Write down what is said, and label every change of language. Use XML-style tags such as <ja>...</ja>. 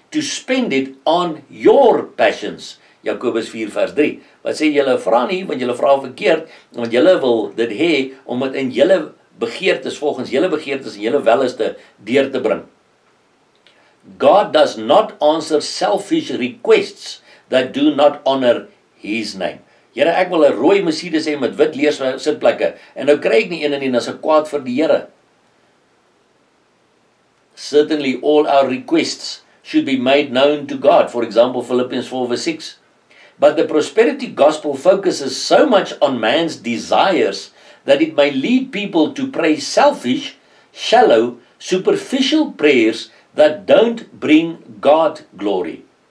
<en>to spend it on your passions.</en> <af>Jakobus 4 vers 3. Wat sê julle? Vra nie, want julle vra verkeerd, want julle wil dit hê om dit in julle begeertes volgens julle begeertes en julle welste deur te bring.</af> <en>God does not answer selfish requests that do not honor his name.</en> <af>Here, ek wil 'n rooi Mercedes hê met wit leers sitplekke en nou kry ek nie een en nie, dis 'n kwaad vir die Here.</af> <en>Certainly all our requests should be made known to God. For example, Philippians 4 verse 6. But the prosperity gospel focuses so much on man's desires that it may lead people to pray selfish, shallow, superficial prayers that don't bring God glory.</en>